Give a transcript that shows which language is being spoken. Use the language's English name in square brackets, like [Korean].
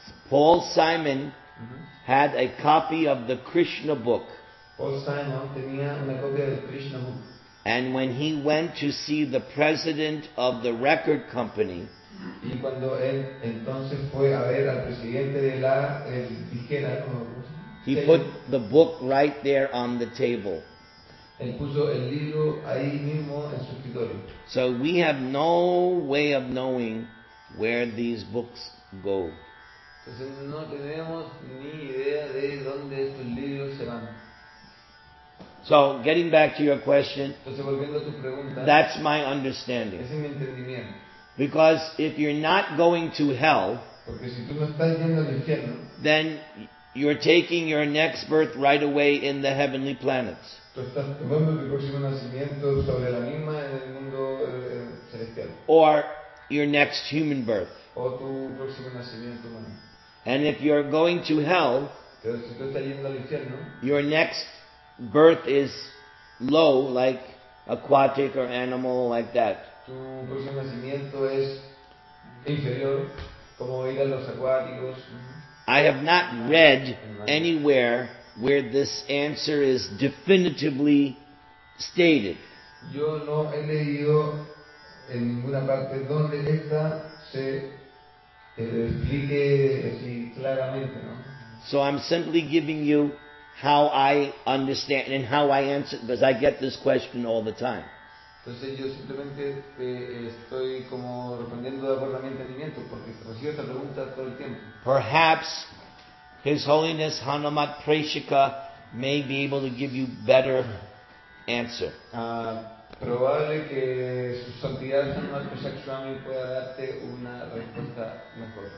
[English] Paul Simon had a copy of the Krishna book. [Spanish] Paul Simon tenía una copia del Krishna book. [English] And when he went to see the president of the record company, [Spanish] y cuando él entonces fue a ver al presidente de la disquera, [English] he put the book right there on the table. [Spanish] Él puso el libro ahí mismo en su escritorio. [English] So we have no way of knowing where these books go. [Spanish] Entonces no tenemos ni idea de dónde estos libros se van. [English] So, getting back to your question, [Spanish] entonces, volviendo a tu pregunta, [English] that's my understanding. [Spanish] Ese es mi entendimiento. [English] Because if you're not going to hell, [Spanish] porque si tú no estás yendo al infierno, [English] then you're taking your next birth right away in the heavenly planets. [Spanish] Tú estás tomando tu próximo nacimiento sobre la misma en el mundo celestial. [English] Or your next human birth. [Spanish] O tu próximo nacimiento humano. [English] And if you're going to hell, [Spanish] pero si tú estás yendo al infierno, [English] your next birth is low, like aquatic or animal like that. [Spanish] Tu próximo nacimiento es inferior, como ir a los acuáticos. [English] I have not read anywhere where this answer is definitively stated. [Spanish] Yo no he leído en ninguna parte donde esta se explique así claramente, ¿no? [English] So I'm simply giving you how I understand and how I answer, because I get this question all the time. [Spanish] Entonces yo simplemente estoy como respondiendo de acuerdo a mi entendimiento, porque recibo esta pregunta todo el tiempo. [English] Perhaps His Holiness Hanumat Preshika may be able to give you better answer. [Spanish] Probable que su santidad Hanumat Preshika Swami pueda darte una respuesta mejor.